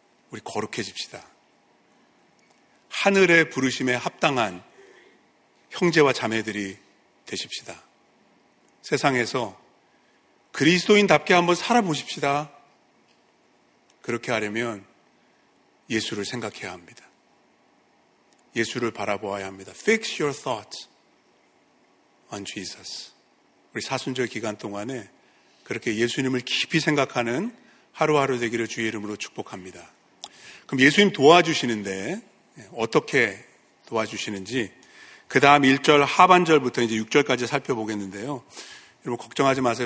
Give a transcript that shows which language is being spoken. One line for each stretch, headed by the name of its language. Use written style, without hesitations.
Korean: 우리 거룩해집시다. 하늘의 부르심에 합당한 형제와 자매들이 되십시다. 세상에서 그리스도인답게 한번 살아보십시다. 그렇게 하려면 예수를 생각해야 합니다. 예수를 바라보아야 합니다.
English: Fix your thoughts on Jesus.
Korean: 우리 사순절 기간 동안에 그렇게 예수님을 깊이 생각하는 하루하루 되기를 주의 이름으로 축복합니다. 그럼 예수님 도와주시는데 어떻게 도와주시는지 그 다음 1절 하반절부터 이제 6절까지 살펴보겠는데요. 여러분 걱정하지 마세요.